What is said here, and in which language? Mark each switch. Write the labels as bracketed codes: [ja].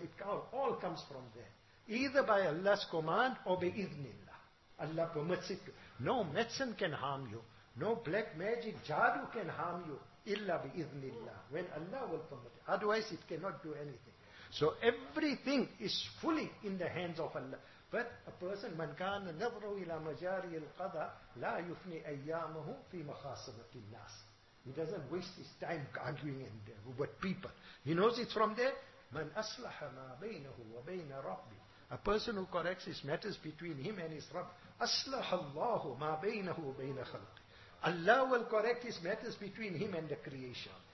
[en] It all comes from there. Either by Allah's command or by Idhnillah. Allah permits it. No medicine can harm you. No black magic, jadu can harm you. [ar] Illa bi Idhnillah. [en] When Allah will permit it. Otherwise, it cannot do anything. So everything is fully in the hands of Allah. But a person, [ar] مَنْ كَانَ نَظْرُ إِلَى مَجَارِيَ الْقَضَىٰ لَا يُفْنِي أَيَّامَهُ فِي مَخَاصَبَةِ النَّاسِ. [en] He doesn't waste his time arguing and with people. He knows it's from there. [ar] Man aslaha ma baynahu wa bayna rabbi. [en] A person who corrects his matters between him and his Rabb. [ar] Aslaha Allahu ma baynahu wa bayna khalqi. [en] Allah will correct his matters between him and the creation.